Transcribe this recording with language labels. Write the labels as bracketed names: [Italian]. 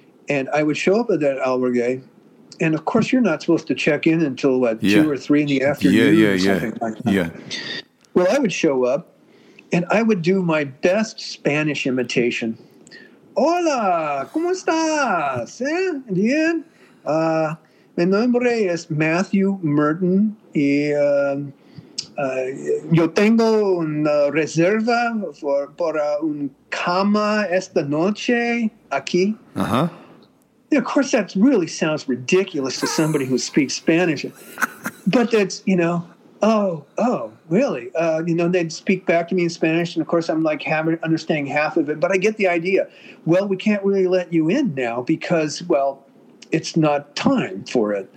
[English] And I would show up at that albergue. And, of course, you're not supposed to check in until, 2 or 3 in the afternoon or something like that. Well, I would show up, and I would do my best Spanish imitation. [Spanish] Hola, ¿cómo estás? Bien. My nombre es Matthew Merton, yo tengo una reserva para un cama esta noche aquí. Uh-huh. [English] Of course, that really sounds ridiculous to somebody who speaks Spanish. But that's, you know, oh, really? You know, they'd speak back to me in Spanish, and of course, I'm like understanding half of it. But I get the idea. Well, we can't really let you in now because, well, it's not time for it.